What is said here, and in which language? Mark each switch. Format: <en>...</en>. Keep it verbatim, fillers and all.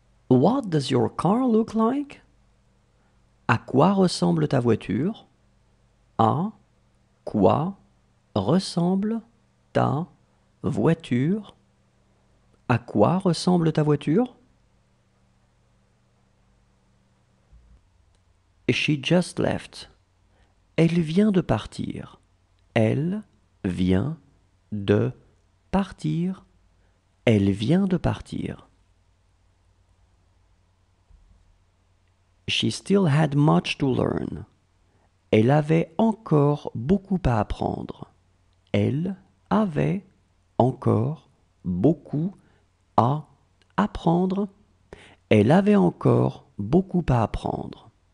<en>What does your car look like?</en> <fr>À quoi ressemble ta voiture? À quoi ressemble ta voiture? À quoi ressemble ta voiture?</fr> <en>She just left.</en> <fr>Elle vient de partir. Elle vient de partir. Elle vient de partir.</fr> <en>She still had much to learn.</en> <fr>Elle avait encore beaucoup à apprendre. Elle avait encore beaucoup à apprendre. Elle avait encore beaucoup à apprendre.</fr>